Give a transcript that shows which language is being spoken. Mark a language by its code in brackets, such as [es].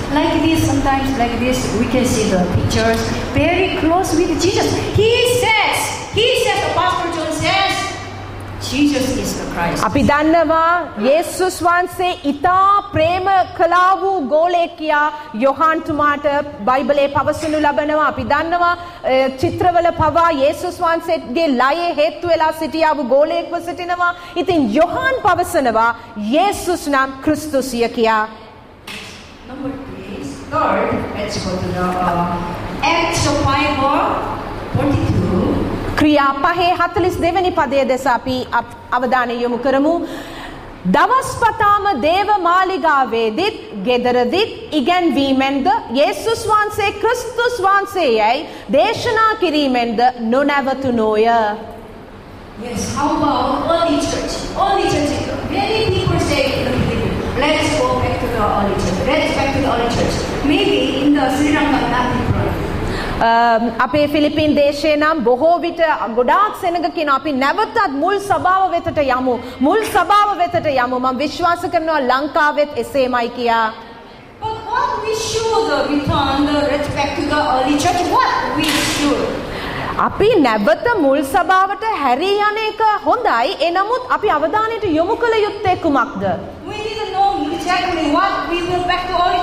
[en] Like this, we can see the pictures. Very close with Jesus. He says, Apostle John says, Jesus is the Christ. [si] අපි දන්නවා යේසුස් වහන්සේ ඉතා ප්‍රේම කළා වූ ගෝලේකියා යොහාන්තුමාට බයිබලයේ පවසනු ලබනවා. අපි දන්නවා චිත්‍රවල පවා යේසුස් වහන්සේගේ ලයේ හේතු වෙලා සිටියා වූ ගෝලේකව සිටිනවා. ඉතින් යොහාන් පවසනවා යේසුස් නම් ක්‍රිස්තුසිය කියා. [en] Number 3. Lord, let's go to the Acts of 5:42. [si] ක්‍රියා පහේ 42 පදයේ දැස අපි අවධානය යොමු කරමු. දවස්පතාම දේව මාලිගාවේදීත් ගෙදරදීත් ඉගැන්වීමෙන්ද යේසුස් වහන්සේ ක්‍රිස්තුස් වහන්සේයි දේශනා කිරීමෙන්ද නොනැවතුනෝය. [en] Yes, how about early church? Early church. Many people say, let us go back to the early church. Let us back to the early church. Maybe in the Sri Lanka, not in [si] අපේ ෆිලිපින් දේශයේ නම් බොහෝ විට ගොඩාක් සෙනඟ කියන අපි නැවතත් මුල් සභාව වෙතට යමු මුල් සභාව වෙතට යමු මම විශ්වාස කරනවා ලංකාවෙත් එසේමයි කියා [en] But what we should return the respect to the early church what we should [si] අපි නැවත මුල් සභාවට හැරී යන්නේක හොඳයි එනමුත් අපි අවධානයට යොමු කළ යුත්තේ කුමක්ද [en] Exactly what we will back to